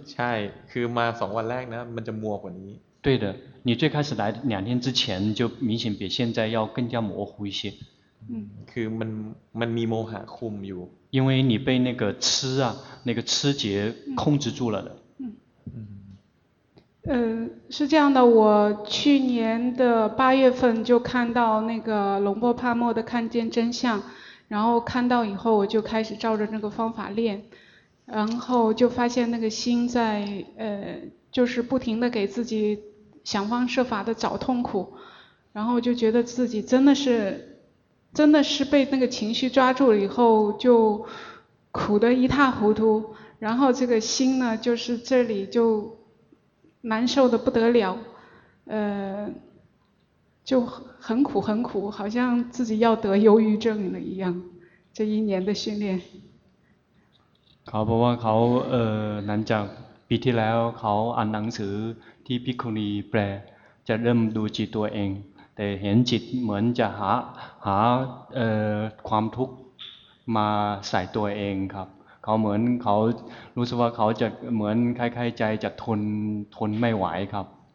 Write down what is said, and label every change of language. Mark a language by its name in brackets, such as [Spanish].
[Thai] ใช่คือมาสองวันแรกนะมันจะมัวกว่านี้ [Chinese] 对的，你最开始来两天之前就明显比现在要更加模糊一些。嗯， [Thai] คือมันมีโมหะคุมอยู่ [Chinese] 因为你被那个痴啊，那个痴结控制住了的。是这样的，我去年的八月份就看到那个龙波帕默的《看见真相》，然后看到以后我就开始照着那个方法练，然后就发现那个心在就是不停的给自己。想方设法的找痛苦，然后就觉得自己真的是被那个情绪抓住了以后就苦得一塌糊涂，然后这个心呢就是这里就难受得不得了，就很苦很苦，好像自己要得忧郁症了一样。这一年的训练， [Thai] เขาบอกว่าเขาหลังจากปีที่แล้วเขาอ่านหนังสือที่ภิกขุณีแปลจะเริ่มดูจิตตัวเองแต่เห็นจิตเหมือนจะหาความทุกข์มาใส่ตัวเองครับเขาเหมือนเขารู้สึกว่าเขาจะเหมือนคล้ายๆใจจะทนไม่ไหวครับ